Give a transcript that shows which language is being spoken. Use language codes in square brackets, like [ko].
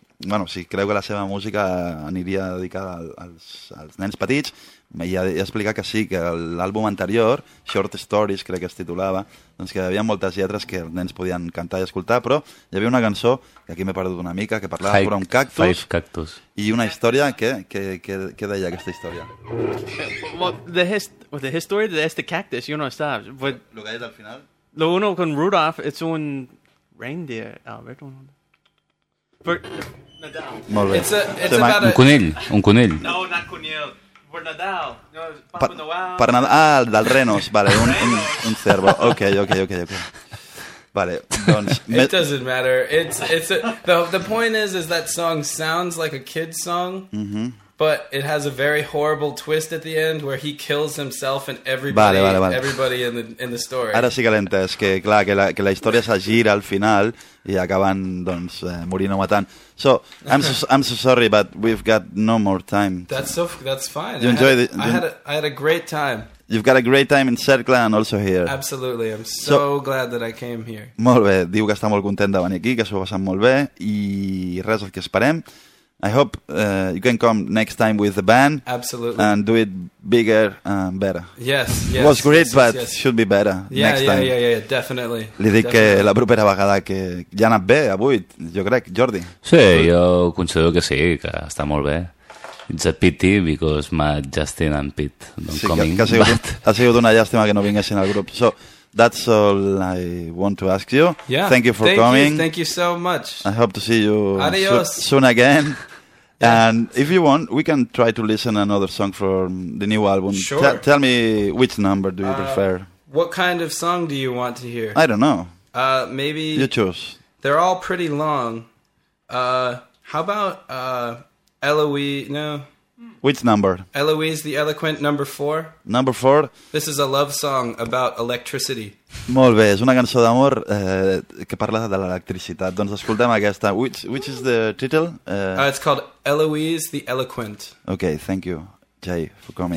[ca] Bueno, si creu que la seva música aniria dedicada als nens petits, i ha explicat que sí, que l'àlbum anterior, Short Stories, crec que es titulava, doncs que hi havia moltes lletres que els nens podien cantar i escoltar, però hi havia una cançó, que aquí m'he perdut una mica, que parlava sobre un cactus. [en] Five Cactus. [ca] I una història, què deia aquesta història? [en] Well, the history [es] de este cactus, [en] you know, it's that. But [ca] lo que ha dit al final? [es] Lo uno con Rudolph, [en] it's [es] un reindeer, Albert, un reindeer. [en] For Nadal. [ca] Molt bé. [en] It's about [ca] un conill, un conill. [en] No, not conill. For Nadal. No, Papa Noel. [ca] Per Nadal. Ah, dels renos. Vale, un cervo. Ok. Vale, doncs... [en] It doesn't matter. The point is that song sounds like a kid's song, mm-hmm. But it has a very horrible twist at the end where he kills himself and everybody. Everybody in the story. [ca] Ara sí que l'he entès, que clar, que la història se gira al final... I acaben, doncs, morint o matant. [en] So, I'm so sorry, but we've got no more time. That's fine. I had a great time. You've got a great time in Cercle and also here. Absolutely, I'm so glad that I came here. [ca] Molt bé, diu que està molt content de venir aquí, que s'ho ha passat molt bé, i res, el que esperem. [en] I hope you can come next time with the band. Absolutely. And do it bigger and better. Yes, yes. It was great, yes, but yes. Should be better next time. Yeah, definitely. [ca] Li dic que la propera vegada que... Ja ha anat bé avui, jo crec, Jordi. Sí, jo considero que sí, que està molt bé. [en] It's a pity because Matt, Justin and Pete don't come in. [ca] Sí, ha sigut una llàstima que no vinguessin al grup. [en] So, that's all I want to ask you. Yeah. Thank you for coming. Thank you so much. I hope to see you soon again. And if you want, we can try to listen another song from the new album. Sure. Tell me which number do you prefer. What kind of song do you want to hear? I don't know. Maybe... You choose. They're all pretty long. How about Eloise... No. Which number? Eloise the Eloquent, number 4. Number 4? This is a love song about electricity. [ca] Molt bé, és una cançó d'amor que parla de l'electricitat. Doncs escoltem aquesta. [en] Which is the title? It's called Eloise the Eloquent. Okay, thank you, Jay, for coming.